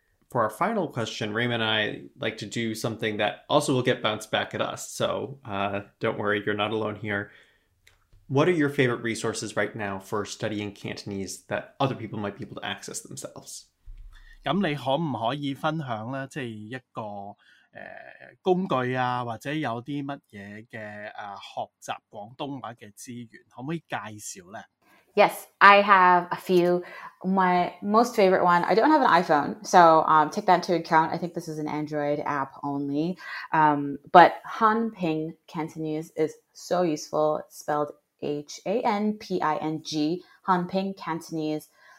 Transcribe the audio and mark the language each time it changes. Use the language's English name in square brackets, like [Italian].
[English] For our final question, Raymond and I like to do something that also will get bounced back at us, so don't worry, you're not alone here. What are your favorite resources right now for studying Cantonese that other people might be able to access themselves? [Cantonese] 咁你可唔可以分享咧？即系一个工具啊，或者有啲乜嘢嘅学习广东话嘅资源，可唔可以介绍咧？ [English] Yes, I have a few. My most favorite one, I don't have an iPhone, so take that into account. I think this is an Android app only. But Hanping Cantonese is so useful. It's spelled Hanping, Hanping Cantonese.